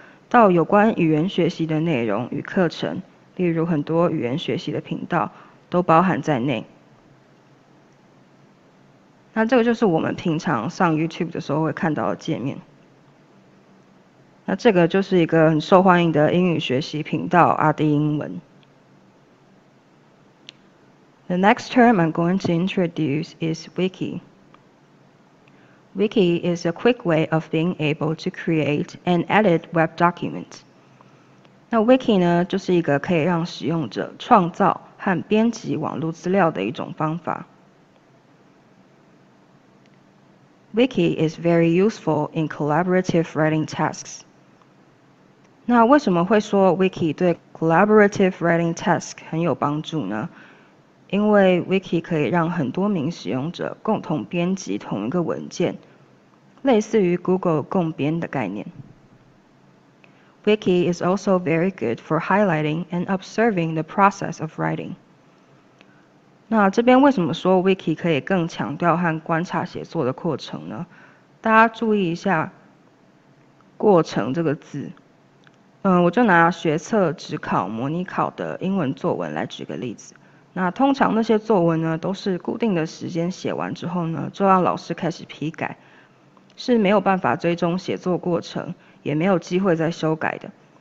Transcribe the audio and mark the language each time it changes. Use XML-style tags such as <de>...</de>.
<zh>到有关语言学习的内容与课程，例如很多语言学习的频道都包含在内。那这个就是我们平常上 YouTube 的时候会看到的界面。那这个就是一个很受欢迎的英语学习频道阿迪英文。</zh> <en>The next term I'm going to introduce is Wiki. Wiki is a quick way of being able to create and edit web documents.</en> <zh>那 Wiki 呢，就是一个可以让使用者创造和编辑网络资料的一种方法。</zh> <en>Wiki is very useful in collaborative writing tasks.</en> <zh>那为什么会说 Wiki 对</zh> <en>collaborative writing task</en> <zh>很有帮助呢？因为 Wiki 可以让很多名使用者共同编辑同一个文件，类似于 Google 共编的概念。</zh> <en>Wiki is also very good for highlighting and observing the process of writing.</en> <zh>那这边为什么说 Wiki 可以更强调和观察写作的过程呢？大家注意一下过程这个字。我就拿学测指考模拟考的英文作文来举个例子。那通常那些作文呢，都是固定的时间写完之后呢，就让老师开始批改，是没有办法追踪写作过程，也没有机会再修改的。</zh>